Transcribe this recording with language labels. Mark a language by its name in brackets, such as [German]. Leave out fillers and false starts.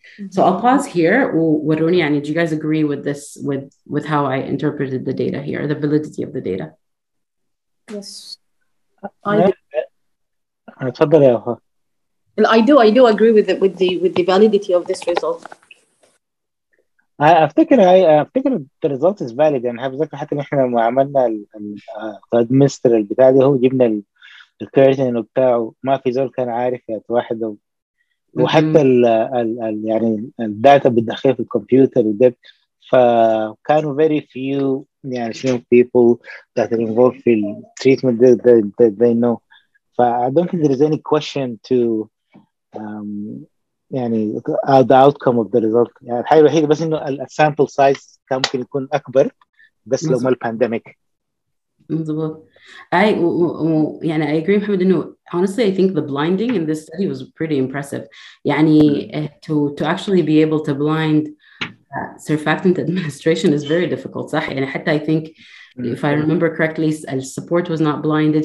[English] So I'll pause here. Waruni, do you guys agree with this, with how I interpreted the data here, the validity of the data? Yes. I do agree with it, with the validity of this result. I think the result is valid. [Arabic] And have ذكر حتى نحن لما عملنا المستر البتاع ده هو جبنا الكيرتين بتاعه ما في زول كان عارف يعني واحد وحتى ال يعني الداتا بتدخل في الكمبيوتر وده فكانوا [English] very few [Arabic] يعني [English] some people that are involved [Arabic] في التريتمنت [English] they know. ف I don't think there is any question to [Arabic] يعني [English] the outcome of the result. [Arabic] يعني الحاجة الوحيدة بس إنه ال sample size كان ممكن يكون أكبر بس لو ما الpandemic. [English] I agree, Mohammed. No, honestly, I think the blinding in this study was pretty impressive. يعني, to actually be able to blind surfactant administration is very difficult. [Arabic] صح? يعني, حتى [English] I think, if I remember correctly, support was not blinded.